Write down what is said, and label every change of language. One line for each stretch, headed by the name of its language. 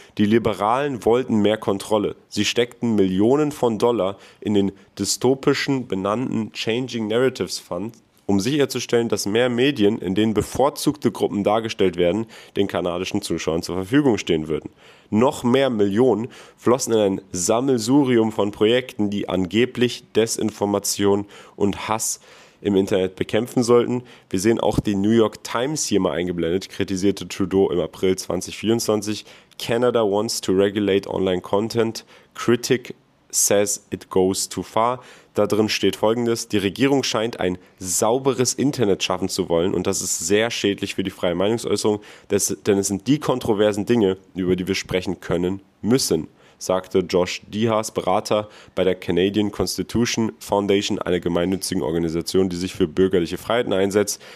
German: Die Liberalen wollten mehr Kontrolle. Sie steckten Millionen von Dollar in den dystopischen benannten Changing Narratives Fund, um sicherzustellen, dass mehr Medien, in denen bevorzugte Gruppen dargestellt werden, den kanadischen Zuschauern zur Verfügung stehen würden. Noch mehr Millionen flossen in ein Sammelsurium von Projekten, die angeblich Desinformation und Hass im Internet bekämpfen sollten. Wir sehen auch die New York Times hier mal eingeblendet, kritisierte Trudeau im April 2024.
English: Canada wants to regulate online content. Critic says it goes too far.
German: Da drin steht Folgendes: Die Regierung scheint ein sauberes Internet schaffen zu wollen und das ist sehr schädlich für die freie Meinungsäußerung, denn es sind die kontroversen Dinge, über die wir sprechen können müssen, sagte Josh Dihas, Berater bei der Canadian Constitution Foundation, einer gemeinnützigen Organisation, die sich für bürgerliche Freiheiten einsetzt.